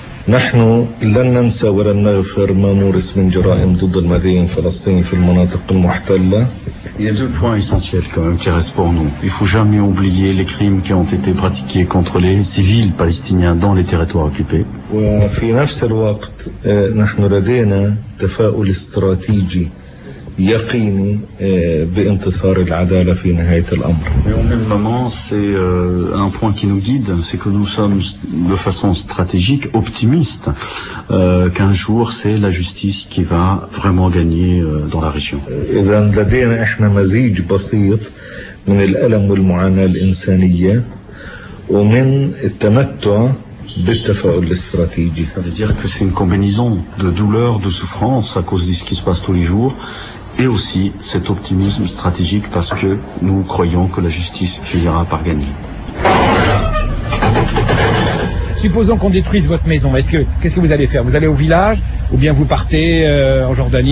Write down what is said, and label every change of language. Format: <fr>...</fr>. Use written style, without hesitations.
<ar>نحن لن ننسى ولن نغفر ما مورس من جرائم ضد المدنيين الفلسطينيين في المناطق المحتلة.</ar> <fr>Il y a deux points essentiels quand même qui restent pour nous. Il ne faut jamais oublier les crimes qui ont été pratiqués contre les civils palestiniens dans les territoires occupés.</fr> <ar>وفي نفس الوقت نحن لدينا تفاؤل استراتيجي يقيني بانتصار العدالة في نهاية الأمر.</ar> <fr>Mais au même moment, c'est un point qui nous guide, c'est que nous sommes de façon stratégique optimistes qu'un jour c'est la justice qui va vraiment gagner dans la région.</fr> <ar>إذن لدينا إحنا مزيج بسيط من الألم والمعاناة الإنسانية ومن التمتع بالتفاؤل الاستراتيجي.</ar> <fr>Ça veut dire que c'est une combinaison de douleur, de souffrance à cause de ce qui se passe tous les jours. Et aussi cet optimisme stratégique parce que nous croyons que la justice finira par gagner. Supposons qu'on détruise votre maison. Est-ce que, qu'est-ce que vous allez faire? Vous allez au village ou bien vous partez en Jordanie?</fr>